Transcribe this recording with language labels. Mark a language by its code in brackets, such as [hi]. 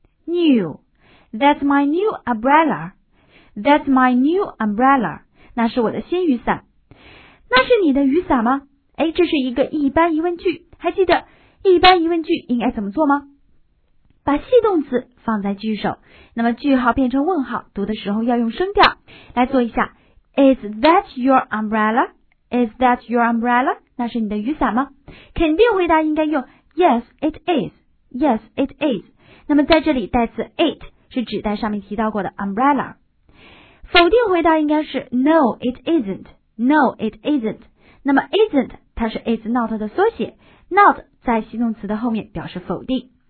[en] New. That's my new umbrella. That's my new umbrella. [zh] 那是我的新雨伞。那是你的雨伞吗？哎，这是一个一般疑问句。还记得一般疑问句应该怎么做吗？把系动词放在句首，那么句号变成问号，读的时候要用升调。来做一下 [en] ，Is that your umbrella? Is that your umbrella? [zh] 那是你的雨伞吗？肯定回答应该用 [en] Yes, it is. Yes, it is. [zh] 那么在这里代词 it 是指代上面提到过的 umbrella。否定回答应该是 [en] No, it isn't. No, it isn't. [zh] 那么 isn't 它是 is not 的缩写 ，not 在系动词的后面表示否定。